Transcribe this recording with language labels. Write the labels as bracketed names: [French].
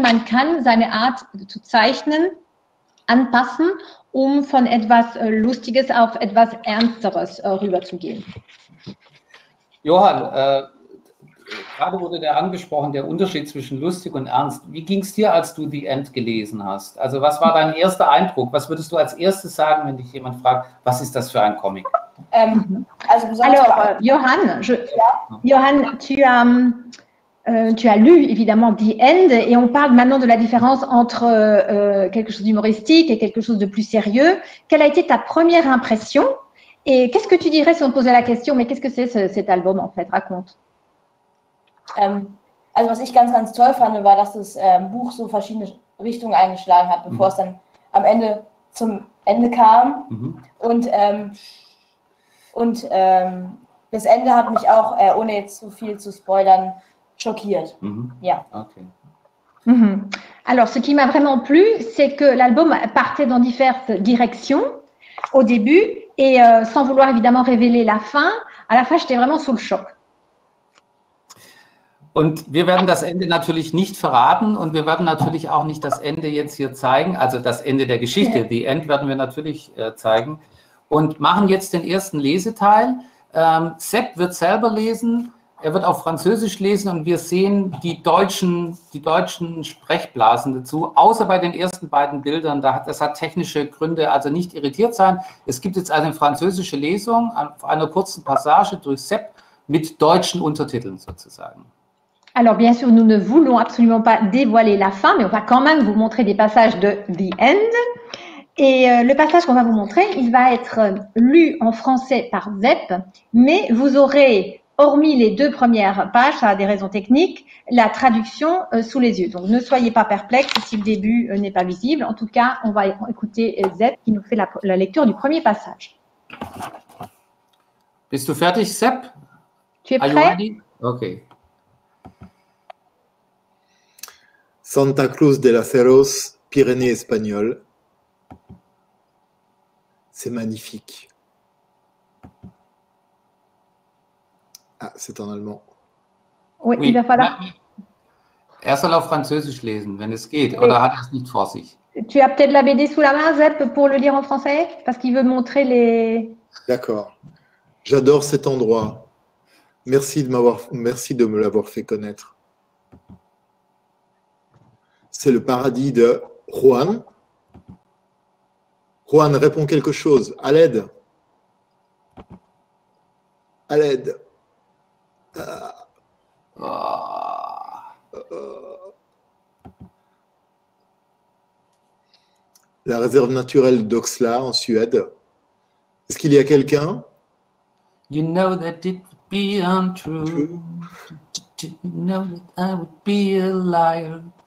[German] Man kann seine Art zu zeichnen anpassen, um von etwas Lustiges auf etwas Ernsteres rüberzugehen. Johann, gerade wurde der angesprochen, der Unterschied zwischen lustig und ernst. Wie ging es dir, als du The End gelesen hast? Also was war dein erster Eindruck? Was würdest du als erstes sagen, wenn dich jemand fragt, was ist das für ein Comic? Also besonders [French] Johann, Johann, tu as lu évidemment The End et on parle maintenant de la différence entre quelque chose d'humoristique et quelque chose de plus sérieux. Quelle a été ta première impression? Et qu'est-ce que tu dirais si on te posait la question, mais qu'est-ce que c'est cet album en fait? Raconte. [German] Also was ich ganz, ganz toll fand, war, dass das Buch so verschiedene Richtungen eingeschlagen hat, bevor es dann am Ende zum Ende kam. Mhm. Und das Ende hat mich auch, ohne jetzt zu viel zu spoilern, schockiert. Mhm. Ja. Okay. [French] Alors, ce qui m'a vraiment plu, c'est que l'album partait dans diverses directions au début et sans vouloir évidemment révéler la fin, à la fin, j'étais vraiment sous le choc. [German] Und wir werden das Ende natürlich nicht verraten und wir werden natürlich auch nicht das Ende jetzt hier zeigen, also das Ende der Geschichte, die End werden wir natürlich zeigen und machen jetzt den ersten Leseteil. Sepp wird selber lesen, er wird auf Französisch lesen und wir sehen die deutschen Sprechblasen dazu, außer bei den ersten beiden Bildern, das hat technische Gründe, also nicht irritiert sein. Es gibt jetzt eine französische Lesung auf einer kurzen Passage durch Sepp mit deutschen Untertiteln sozusagen. [French] Alors, bien sûr, nous ne voulons absolument pas dévoiler la fin, mais on va quand même vous montrer des passages de The End. Et le passage qu'on va vous montrer, il va être lu en français par Zepp, mais vous aurez, hormis les deux premières pages, ça a des raisons techniques, la traduction sous les yeux. Donc, ne soyez pas perplexes si le début n'est pas visible. En tout cas, on va écouter Zepp qui nous fait la lecture du premier passage. [German] Bist du fertig, Zepp? [French] Tu es prêt? Ok. Santa Cruz de la Cerros, Pyrénées espagnoles. C'est magnifique. Ah, c'est en allemand. Oui, oui. Il va falloir. [German] Er soll auf Französisch lesen, wenn es geht, oder hat er es nicht vor sich? [French] Tu as peut-être la BD sous la main, Zepp, pour le lire en français, parce qu'il veut montrer les. D'accord. J'adore cet endroit. Merci de me l'avoir fait connaître. C'est le paradis de Juan. Juan, réponds quelque chose. À l'aide. À l'aide. La réserve naturelle d'Oxla en Suède. Est-ce qu'il y a quelqu'un? [English] You know that it would be untrue. You know that I would be a liar.